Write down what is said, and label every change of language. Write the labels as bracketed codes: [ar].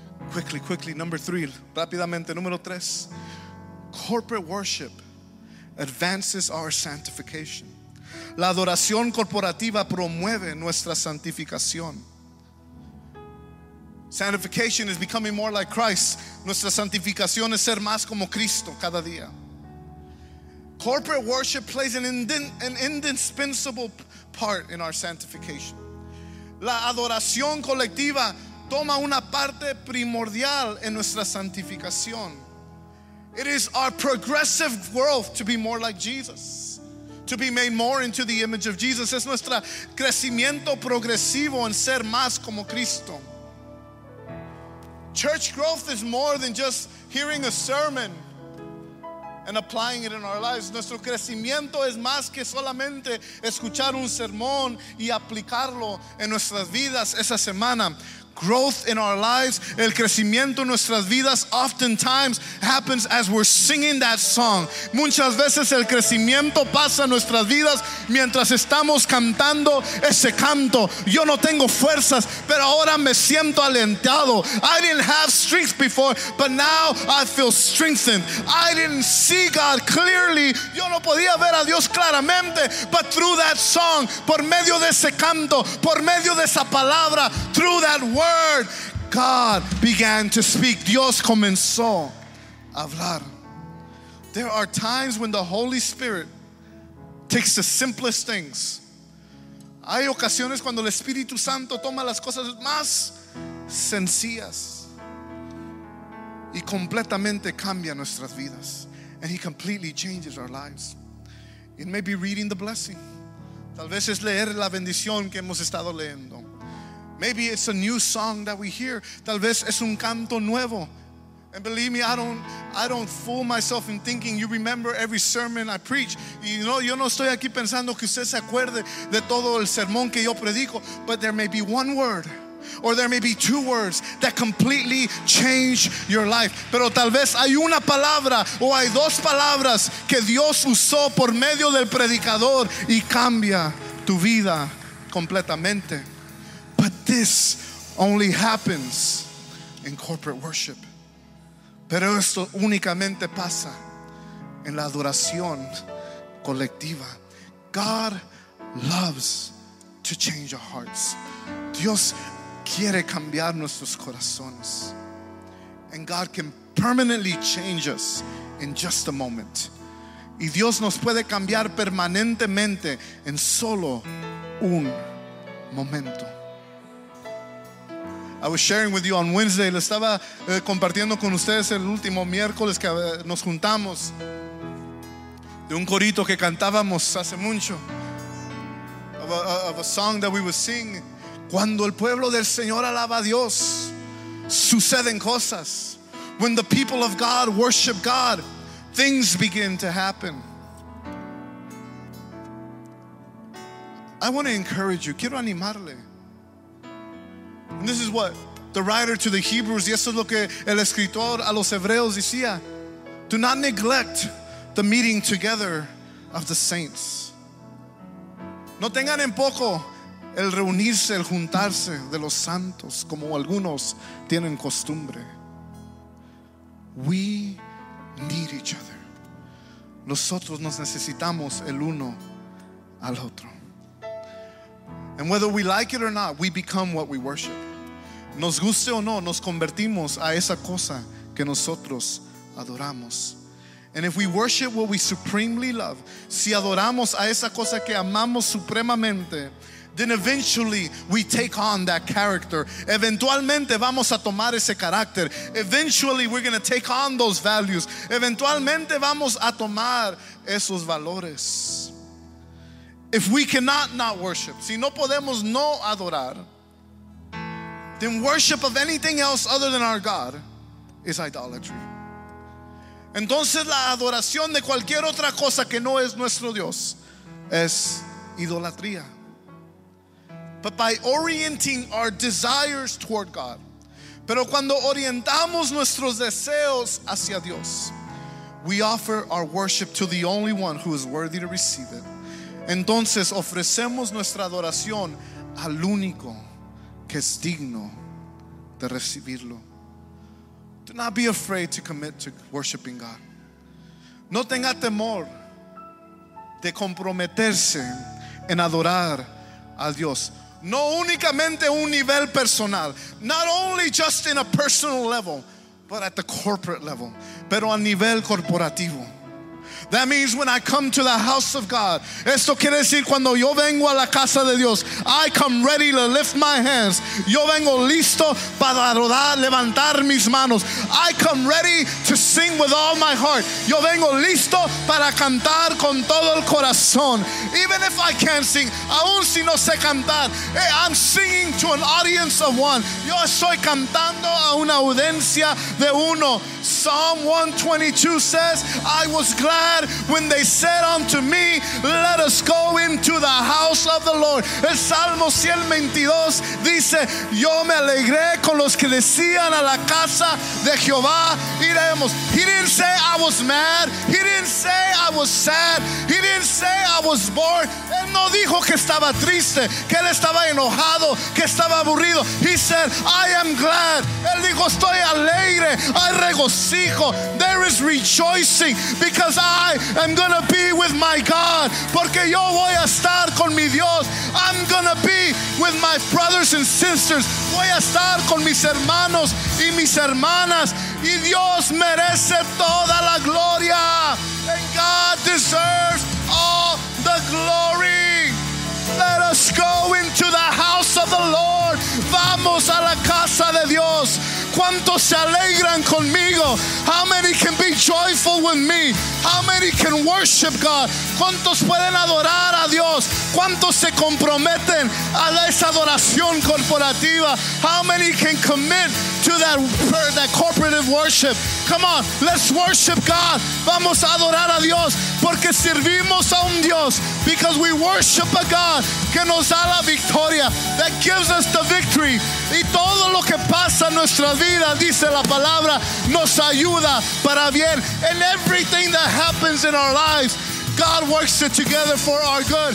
[en] Quickly, number three. [es] Rápidamente, número tres. [en] Corporate worship advances our sanctification. [es] La adoración corporativa promueve nuestra santificación. [en] Sanctification is becoming more like Christ. [es] Nuestra santificación es ser más como Cristo cada día. [en] Corporate worship plays an indispensable part in our sanctification. [es] La adoración colectiva toma una parte primordial en nuestra santificación. [en] It is our progressive growth to be more like Jesus. To be made more into the image of Jesus. [es] Es nuestro crecimiento progresivo en ser más como Cristo. [en] Church growth is more than just hearing a sermon and applying it in our lives. [es] Nuestro crecimiento es más que solamente escuchar un sermón y aplicarlo en nuestras vidas esa semana. [en] Growth in our lives, [es] el crecimiento en nuestras vidas, [en] oftentimes happens as we're singing that song. [es] Muchas veces el crecimiento pasa en nuestras vidas mientras estamos cantando ese canto. Yo no tengo fuerzas, pero ahora me siento alentado. [en] I didn't have strength before, but now I feel strengthened. I didn't see God clearly. [es] Yo no podía ver a Dios claramente, [en] but through that song, [es] por medio de ese canto, por medio de esa palabra, [en] through that word, God began to speak. [es] Dios comenzó a hablar. [en] There are times when the Holy Spirit takes the simplest things. [es] Hay ocasiones cuando el Espíritu Santo toma las cosas más sencillas y completamente cambia nuestras vidas. [en] And he completely changes our lives. It may be reading the blessing. [es] Tal vez es leer la bendición que hemos estado leyendo. [en] Maybe it's a new song that we hear. [es] Tal vez es un canto nuevo. [en] And believe me, I don't fool myself in thinking you remember every sermon I preach. [es] Y no, yo no estoy aquí pensando que usted se acuerde de todo el sermón que yo predico. [en] But there may be one word, or there may be two words that completely change your life. [es] Pero tal vez hay una palabra o hay dos palabras que Dios usó por medio del predicador y cambia tu vida completamente. [en] But this only happens in corporate worship. [es] Pero esto únicamente pasa en la adoración colectiva. [en] God loves to change our hearts. [es] Dios quiere cambiar nuestros corazones. [en] And God can permanently change us in just a moment. [es] Y Dios nos puede cambiar permanentemente en solo un momento. [en] I was sharing with you on Wednesday. [es] Le estaba compartiendo con ustedes el último miércoles que nos juntamos, de un corito que cantábamos hace mucho, [en] of a song that we would sing. [es] Cuando el pueblo del Señor alaba a Dios, suceden cosas. [en] When the people of God worship God, things begin to happen. I want to encourage you. [es] Quiero animarle. [en] And this is what the writer to the Hebrews, [es] y eso es lo que el escritor a los Hebreos decía. [en] Do not neglect the meeting together of the saints. [es] No tengan en poco el reunirse, el juntarse de los santos, como algunos tienen costumbre. [en] We need each other. [es] Nosotros nos necesitamos el uno al otro. [en] And whether we like it or not, we become what we worship. [es] Nos guste o no, nos convertimos a esa cosa que nosotros adoramos. [en] And if we worship what we supremely love, [es] si adoramos a esa cosa que amamos supremamente, [en] then eventually we take on that character. [es] Eventualmente vamos a tomar ese carácter. [en] Eventually we're going to take on those values. [es] Eventualmente vamos a tomar esos valores. [en] If we cannot not worship, [es] si no podemos no adorar, [en] then worship of anything else other than our God is idolatry. [es] Entonces la adoración de cualquier otra cosa que no es nuestro Dios es idolatría. [en] But by orienting our desires toward God, [es] pero cuando orientamos nuestros deseos hacia Dios, [en] we offer our worship to the only one who is worthy to receive it. [es] Entonces ofrecemos nuestra adoración al único que es digno de recibirlo. [en] Do not be afraid to commit to worshiping God. [es] No tenga temor de comprometerse en adorar a Dios. No únicamente un nivel personal, [en] not only just in a personal level, but at the corporate level, [es] pero a nivel corporativo. [en] That means when I come to the house of God, [es] esto quiere decir cuando yo vengo a la casa de Dios, [en] I come ready to lift my hands. [es] Yo vengo listo para adorar, levantar mis manos. [en] I come ready to sing with all my heart. [es] Yo vengo listo para cantar con todo el corazón. [en] Even if I can't sing, [es] aun si no sé cantar, [en] I'm singing to an audience of one. [es] Yo estoy cantando a una audiencia de uno. [en] Psalm 122 says, I was glad when they said unto me, let us go into the house of the Lord. [es] El Salmo 122 dice, yo me alegré con los que decían a la casa de Jehová, iremos. [en] He didn't say I was mad. He didn't say I was sad. He didn't say I was bored. [es] Él no dijo que estaba triste, que él estaba enojado, que estaba aburrido. [en] He said, I am glad. [es] Él dijo, estoy alegre, hay regocijo. [en] There is rejoicing because I am gonna be with my God. [es] Porque yo voy a estar con mi Dios. [en] I'm gonna be with my brothers and sisters. [es] Voy a estar con mis hermanos y mis hermanas. Y Dios merece toda la gloria. [en] And God deserves all the glory. Let us go into the house of the Lord. [es] Vamos a la casa de Dios. ¿Cuántos se alegran conmigo? [en] How many can be joyful with me? How many can worship God? [es] ¿Cuántos pueden adorar a Dios? ¿Cuántos se comprometen a esa adoración corporativa? [en] How many can commit to that corporative worship? Come on, let's worship God. [es] Vamos a adorar a Dios porque servimos a un Dios. [en] Because we worship a God [es] que nos da la victoria, [en] that gives us the victory. [es] Y todo lo que pasa en nuestra vida, dice la palabra, nos ayuda para bien. [en] And everything that happens in our lives, God works it together for our good.